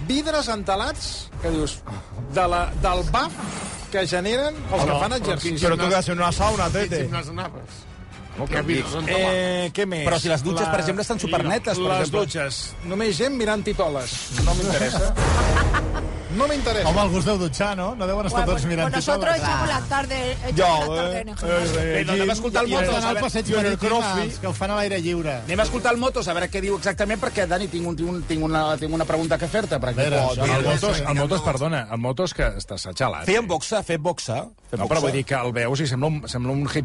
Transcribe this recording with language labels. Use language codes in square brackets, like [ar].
[ca] Vidres entelats, que dius, del baf que generen els que fan exercici. Però tu que has de ser una sauna, Tete. Què més? Però si les dutxes, per exemple, estan supernetes. Les dutxes. Només gent mirant titoles. No m'interessa. No m'interessa. Home, algú es deu dutxar, no? No deuen estar tots mirant. [es] Bueno, nosotros echamos la tarde. [ca] Anem a escoltar el moto. Anem al passeig i el crossfit, que ho fan a l'aire lliure. Anem a escoltar el moto, a veure què diu exactament, perquè, Dani, tinc una pregunta que fer-te. El moto, perdona, el moto és que està xalat. Fem boxa. No, però vull dir que el veus i sembla un hip.